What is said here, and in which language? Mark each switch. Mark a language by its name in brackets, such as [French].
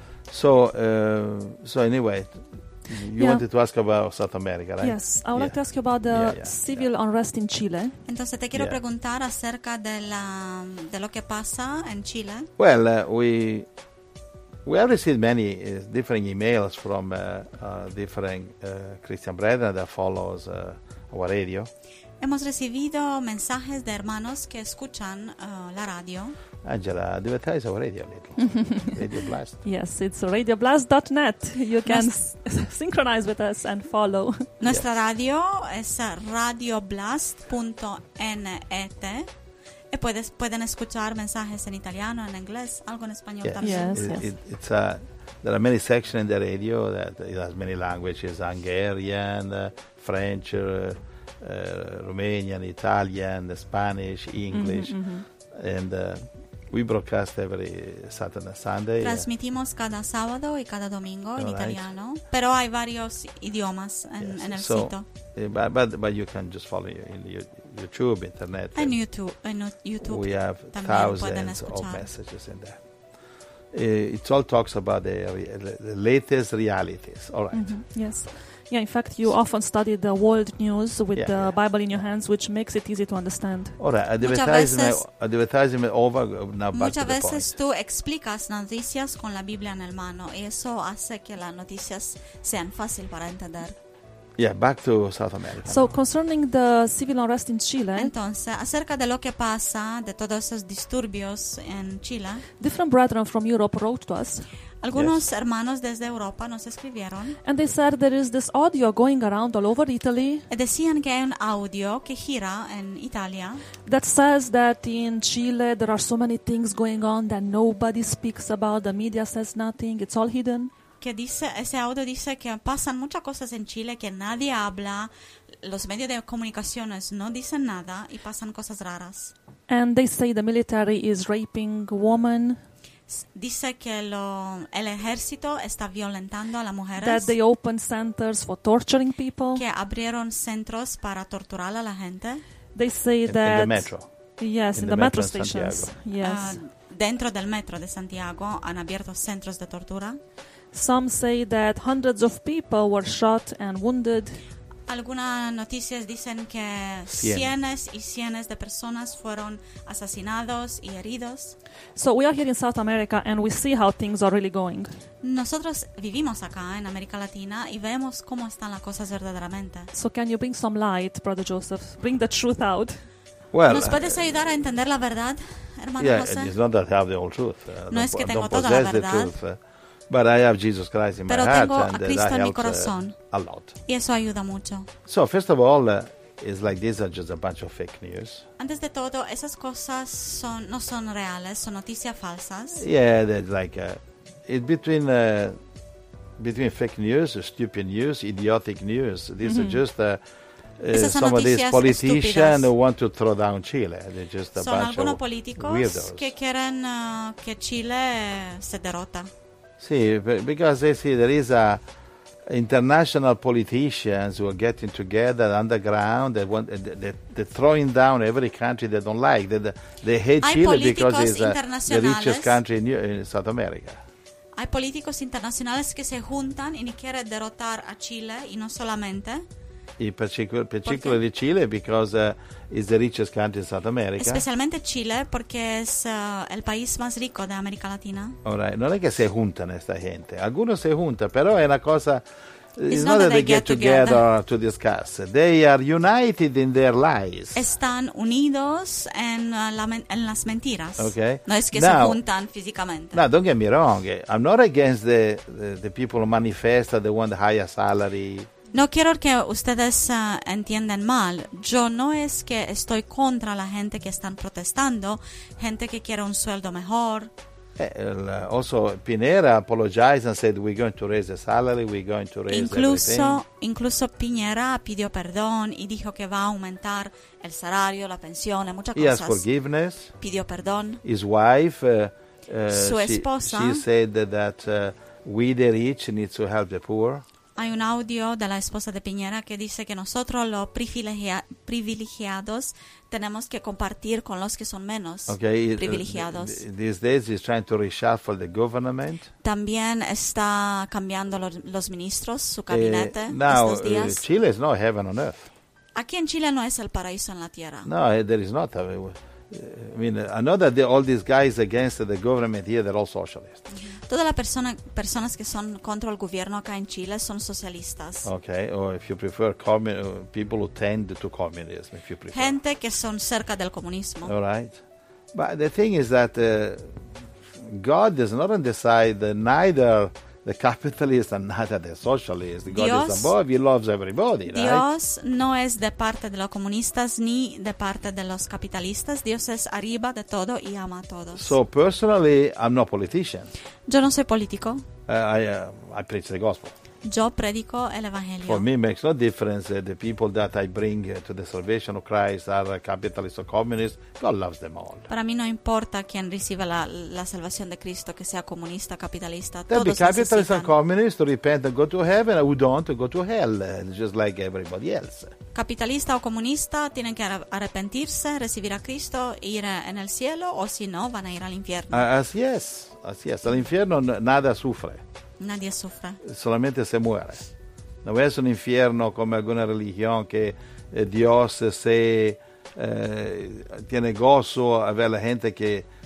[English] So anyway, you wanted to ask about South America, right? Yes, I would like to ask you about the civil unrest in Chile. [Spanish] Entonces te quiero preguntar acerca de lo que pasa en Chile. [English] Well, we have received many different emails from different Christian brethren that follows our radio. [Spanish] Hemos recibido mensajes de hermanos que escuchan la radio. [English] Angela, advertise our radio a little. Radio Blast. Yes, it's radioblast.net. You can synchronize with us and follow. [Spanish] Nuestra radio es radioblast.net. Y pueden escuchar mensajes en italiano, en inglés, algo en español también. [English] It's a, there are many sections in the radio that it has many languages, Hungarian, French, Romanian, Italian, Spanish, English, mm-hmm, mm-hmm. and We broadcast every Saturday, Sunday. [Spanish] Transmitimos cada sábado y cada domingo en italiano. Pero hay varios idiomas en el sitio. [English] But you can just follow you in YouTube, internet. And YouTube. We have thousands of messages in there. It all talks about the latest realities. All right. Mm-hmm. Yes. Yeah, in fact, you often study the world news with the Bible in your hands, which makes it easy to understand. All right, advertisement over, now back to the point. [Spanish] Muchas veces tú explicas noticias con la Biblia en el mano, y eso hace que las noticias sean fácil para entender. [English] Yeah, back to South America. So, concerning the civil unrest in Chile. [Spanish] Entonces, acerca de lo que pasa, de todos esos disturbios en Chile. [English] Different brethren from Europe wrote to us. [Spanish] Algunos hermanos desde Europa nos escribieron. [English] And they said there is this audio going around all over Italy. [Spanish] E decían que hay un audio que gira en Italia. [English] That says that in Chile there are so many things going on that nobody speaks about, the media says nothing, it's all hidden. [Spanish] Que dice, ese audio dice que pasan muchas cosas en Chile que nadie habla, los medios de comunicaciones no dicen nada y pasan cosas raras. [English] And they say the military is raping women. [Spanish] Dice que el ejército está violentando a las mujeres. [English] That they open centers for torturing people. [Spanish] Que abrieron centros para torturar a la gente. [English] They say that in the metro. Yes, in the metro stations. Yes. [Spanish] Dentro del metro de Santiago han abierto centros de tortura. [English] Some say that hundreds of people were shot and wounded. [Spanish] Algunas noticias dicen que cientos y cientos de personas fueron asesinados y heridos. [English] So we are here in South America and we see how things are really going. [Spanish] Nosotros vivimos acá en América Latina y vemos cómo están las cosas verdaderamente. [English] So can you bring some light, Brother Joseph? Bring the truth out. [Spanish] Well, ¿nos puedes ayudar a entender la verdad, hermano José? [English] Yeah, it's not that I have the whole truth. [Spanish] No es que tengo toda la verdad. [English] But I have Jesus Christ in [Spanish] pero [English] my heart, [Spanish] tengo a Cristo [English] and that [Spanish] en [English] helps, [Spanish] mi corazón. [English] A lot. [Spanish] Y eso ayuda mucho. [English] So first of all, it's like these are just a bunch of fake news. [Spanish] Antes de todo, esas cosas son no son reales, son noticias falsas. [English] Yeah, that like between fake news, stupid news, idiotic news. These are just some of these politicians [Spanish] estúpidas. [English] Who want to throw down Chile. They're just a [Spanish] son [English] bunch [Spanish] algunos [English] of [Spanish] políticos [English] weirdos. [Spanish] Que quieren que Chile se derrota. [English] Sí, because they see there is a international politicians who are getting together underground. They want they're throwing down every country they don't like. They hate Chile because it's the richest country in South America. [Spanish] Hay políticos internacionales que se juntan y quieren derrotar a Chile y no solamente. [English] Y particularly Chile because it's the richest country in South America. [Spanish] Especialmente Chile porque es el país más rico de América Latina. [English] All right. [Spanish] No es que se juntan esta gente. Algunos se juntan, pero es una cosa... [English] It's not that they get together to discuss. They are united in their lies. [Spanish] Están unidos en las mentiras. [English] Okay. [Spanish] No es que now, se juntan físicamente. [English] Now, don't get me wrong. I'm not against the people who manifest that they want a higher salary... [Spanish] No quiero que ustedes entiendan mal. Yo no es que estoy contra la gente que están protestando, gente que quiere un sueldo mejor. [English] Also, Piñera apologized and said we're going to raise the salary, we're going to raise everything. [Spanish] Incluso Piñera pidió perdón y dijo que va a aumentar el salario, la pensión, muchas cosas. [English] He asked forgiveness. [Spanish] Pidió perdón. [English] His wife, [Spanish] su esposa, [English] she said that we the rich need to help the poor. [Spanish] Hay un audio de la esposa de Piñera que dice que nosotros los privilegiados tenemos que compartir con los que son menos privilegiados. [English] These days he's trying to reshuffle the government. [Spanish] También está cambiando los ministros, su gabinete estos días. [English] Now, Chile is no heaven on earth. [Spanish] Aquí en Chile no es el paraíso en la tierra. [English] No, there is not. I mean, I know that all these guys against the government here, they're all socialists. [Spanish] Todas las personas que son contra el gobierno acá en Chile son socialistas. [English] Okay, or if you prefer, people who tend to communism, if you prefer. [Spanish] Gente que son cerca del comunismo. [English] All right. But the thing is that God does not decide neither the capitalist and neither the socialist. God [Spanish] Dios, [English] is above, he loves everybody, [Spanish] Dios [English] right? [Spanish] Dios no es de parte de los comunistas ni de parte de los capitalistas. Dios es arriba de todo y ama a todos. [English] So personally, I'm not a politician. [Spanish] Yo no soy político. [English] I preach the gospel. [Spanish] Yo predico el evangelio. [English] For me, it makes no difference the people that I bring to the salvation of Christ are capitalists or communists. God loves them all. [Spanish] Para mí no importa quién reciba la salvación de Cristo, que sea comunista, capitalista. [English] There'll be capitalists and communists who repent and go to heaven, and who don't go to hell, just like everybody else. [Spanish] Capitalista o comunista tienen que arrepentirse, recibir a Cristo, ir en el cielo, o si no, van a ir al infierno. Así es. Al infierno nada sufre. Nadie sufre. Solamente se muere. No es un infierno como alguna religión que Dios tiene gozo a ver la gente que